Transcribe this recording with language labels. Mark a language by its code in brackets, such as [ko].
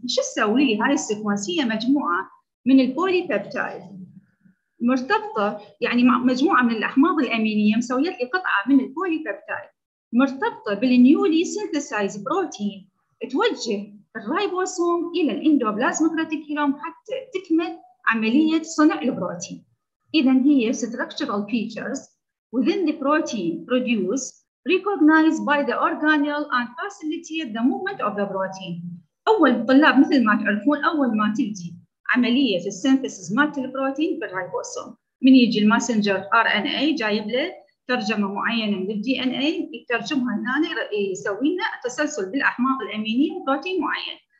[ar] شو تسوي لي هاي السيكونس؟ هي مجموعة من البولي بيبتايد مرتبطة، يعني مجموعة من الأحماض الأمينية مسويت لي قطعة من البولي بيبتايد مرتبطة بالنيولي سينثسايز بروتين، توجه الرايبوسوم إلى الإندوبلازمك ريتيكولوم حتى تكمل عملية صنع البروتين. إذا هي [en] structural features within the protein produced recognized by the organelle and facilitate the movement of the protein. [ar] أول طلاب مثل ما تعرفون أول ما تجي عملية السينثيسيس مالت البروتين بالرايبوسوم، من يجي المسنجر ار ان اي جايب له ترجمة معينة من الدي ان اي يترجمها هنا يسوي لنا تسلسل بالأحماض الأمينية وبروتين معين.